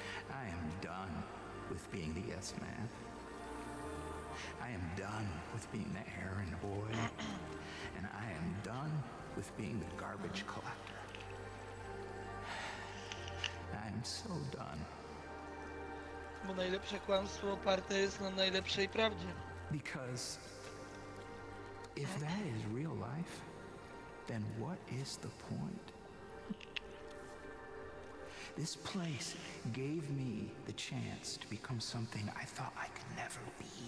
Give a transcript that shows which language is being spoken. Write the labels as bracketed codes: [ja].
[en] I am done with being the yes man. I am done with being the errand boy. And I am done with being the garbage collector. I'm so done. [pl] Bo najlepsze kłamstwo oparte jest na najlepszej prawdzie. [en] Because if that is real life, then what is the point? This place gave me the chance to become something I thought I could never be.